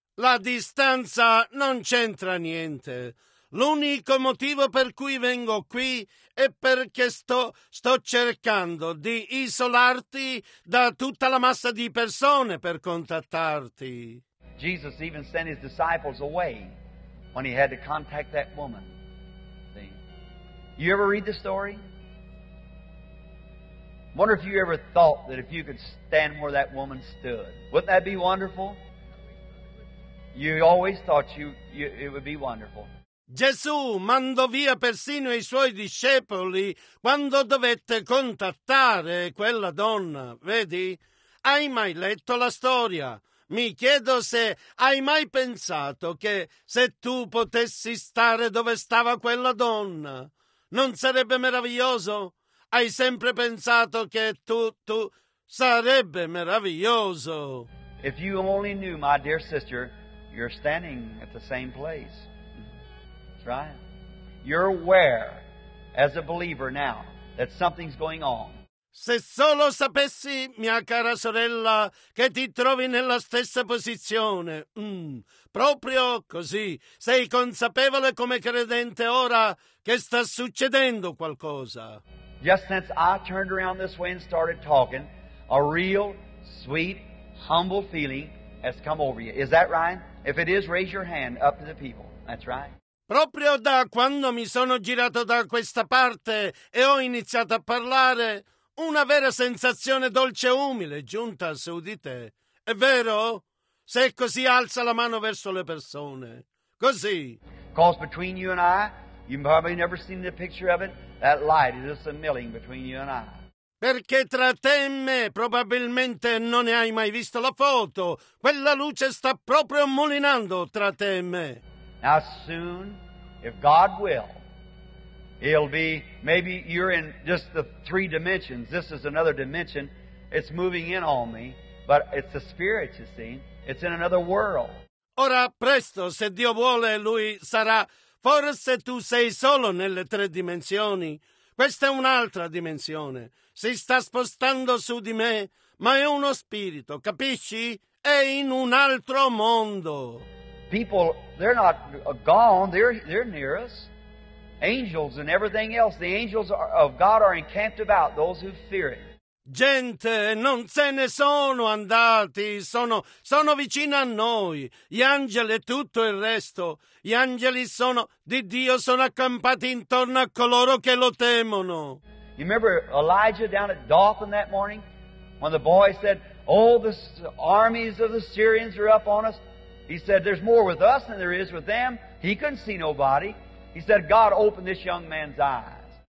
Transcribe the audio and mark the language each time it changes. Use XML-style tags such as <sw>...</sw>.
<it>La distanza non c'entra niente. L'unico motivo per cui vengo qui è perché sto cercando di isolarti da tutta la massa di persone per contattarti.</it> <en>Jesus even sent his disciples away when he had to contact that woman. See? You ever read the story? Wonder if you ever thought that if you could stand where that woman stood, wouldn't that be wonderful? You always thought it would be wonderful.</en> <it>Gesù mandò via persino i suoi discepoli quando dovette contattare quella donna, vedi? Hai mai letto la storia? Mi chiedo se hai mai pensato che se tu potessi stare dove stava quella donna, non sarebbe meraviglioso? Hai sempre pensato che tu sarebbe meraviglioso?</it> <en>If you only knew, my dear sister, you're standing at the same place. Right? You're aware as a believer now that something's going on.</en> <it>Se solo sapessi, mia cara sorella, che ti trovi nella stessa posizione. Proprio così. Sei consapevole come credente ora che sta succedendo qualcosa.</it> <en>Just since I turned around this way and started talking, a real, sweet, humble feeling has come over you. Is that right? If it is, raise your hand up to the people. That's right.</en> <it>Proprio da quando mi sono girato da questa parte e ho iniziato a parlare, una vera sensazione dolce e umile è giunta su di te. È vero? Se è così, alza la mano verso le persone. Così.</it> <en>Because between you and I, you've probably never seen the picture of it, that light is just a milling between you and I.</en> <it>Perché tra te e me probabilmente non ne hai mai visto la foto. Quella luce sta proprio mulinando tra te e me.</it> <en>Now soon, if God will, it'll be, maybe you're in just the three dimensions. This is another dimension. It's moving in on me, but it's the spirit, you see. It's in another world.</en> <it>Ora presto, se Dio vuole, lui sarà. Forse tu sei solo nelle tre dimensioni. Questa è un'altra dimensione. Si sta spostando su di me, ma è uno spirito, capisci? È in un altro mondo.</it> <en>People, they're not gone, they're near us. Angels and everything else, the angels of God are encamped about those who fear it.</en> <it>Gente, non se ne sono andati, sono vicino a noi. Gli angeli e tutto il resto, gli angeli sono di Dio, sono accampati intorno a coloro che lo temono.</it> <en>You remember Elijah down at Dothan that morning, when the boy said, "Oh, the armies of the Syrians are up on us." He said, "There's more with us than there is with them." He couldn't see nobody. He said, "God opened this young man's eyes."</en>